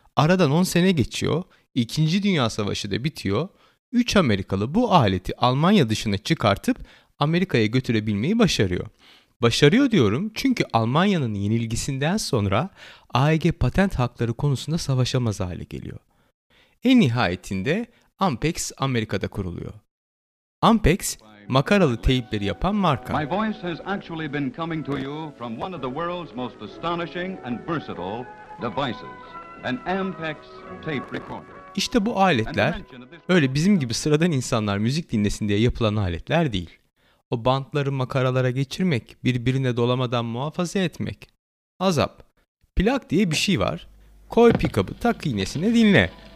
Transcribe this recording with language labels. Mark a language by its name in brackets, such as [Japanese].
[Turkish] Aradan 10 sene geçiyor, 2. Dünya Savaşı da bitiyor, 3 Amerikalı bu aleti Almanya dışına çıkartıp Amerika'ya götürebilmeyi başarıyor. Başarıyor diyorum çünkü Almanya'nın yenilgisinden sonra AEG patent hakları konusunda savaşamaz hale geliyor. En nihayetinde Ampex Amerika'da kuruluyor. Ampex, makaralı teypleri yapan marka. [English] My voice has actually been coming to you from one of the world's most astonishing and versatile devices, an Ampex tape recorder. [Turkish] İşte bu aletler öyle bizim gibi sıradan insanlar müzik dinlesin diye yapılan aletler değil. O bantları makaralara geçirmek, birbirine dolamadan muhafaza etmek. Azap. Plak diye bir şey var. Koy pick-up'ı, tak iğnesine dinle.